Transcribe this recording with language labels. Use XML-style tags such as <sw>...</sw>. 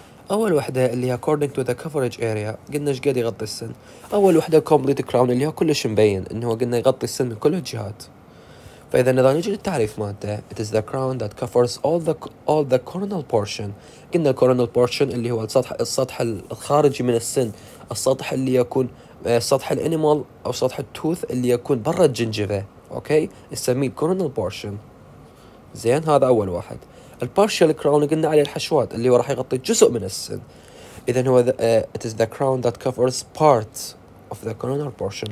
<ar>اول وحده اللي هي</ar> <en>according to the coverage area،</en> <ar>قلنا ايش قد يغطي السن. اول وحده complete crown اللي هو كلش مبين انه قلنا يغطي السن من كل الجهات. فاذا نضال نجي للتعريف مالته،</ar> <en>it is the crown that covers all the coronal portion.</en> <ar>قلنا coronal portion اللي هو السطح الخارجي من السن، السطح اللي يكون سطح الانيمال او سطح التوث اللي يكون برا الجنجفة. اوكي، نسميه كورونال بورشن. زين، هذا اول واحد. البارشال كراون قلنا عليه الحشوات اللي هو راح يغطي جزء من السن، اذا هو</ar> <en>it is the crown that covers part of the coronal portion.</en>